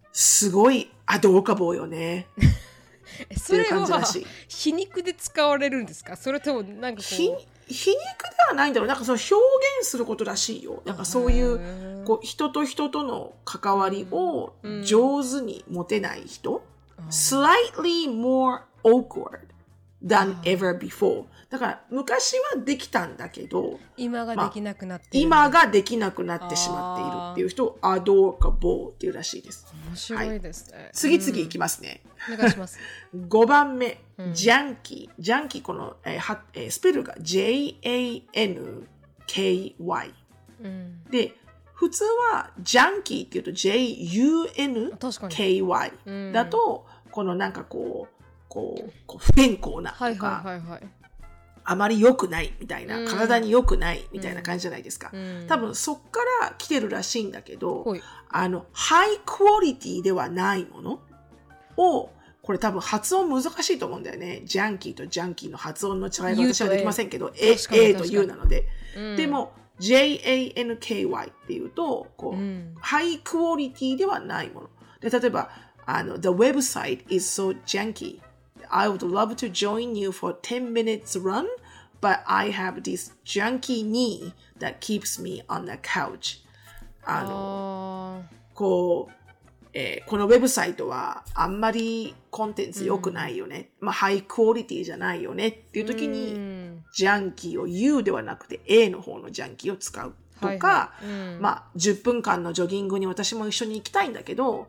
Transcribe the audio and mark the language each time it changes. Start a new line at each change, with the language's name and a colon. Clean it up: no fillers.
Japanese: すごい、アドーカボーよね。それは皮肉で使われるんですか、それともなんかこう。皮肉ではないんだろう。なんかその表現することらしいよ。なんかそういう、こう、人と人との関わりを上手に持てない人。
English: slightly more awkward than ever before。
Japanese: だから、昔はできたんだけど、今ができなくなっている、まあ。今ができなくなってしまっているっていう人を、アドーカボーっていうらしいです。面白いですね。はい、次々いきますね。お願いします。5 番目、ジャンキー。ジャンキー、この、スペルが J-A-N-K-I-E。 K-Y、うん、で普通はジャンキーっていうと J-U-N-K-Y、うん、だとこのなんかこう、こう不健康なとか、はいはいはいはい、あまり良くないみたいな、うん、体に良くないみたいな感じじゃないですか、うんうん、多分そっから来てるらしいんだけど、はい、あのハイクオリティではないものを、これ多分発音難しいと思うんだよね。ジャンキーとジャンキーの発音の違いは私はできませんけど、 A と U なので、うん、でも J-A-N-K-Y っていうとこう、うん、ハイクオリティではないもので、例えばあの
English: The website is so janky I would love to join you for 10 minutes run but I have this janky knee that keeps me on the couch。
Japanese: あのこうこのウェブサイトはあんまりコンテンツ良くないよね、うん、まあハイクオリティじゃないよねっていう時に、うん、ジャンキーを U ではなくて A の方のジャンキーを使うとか、はいはい、うん、まあ10分間のジョギングに私も一緒に行きたいんだけど、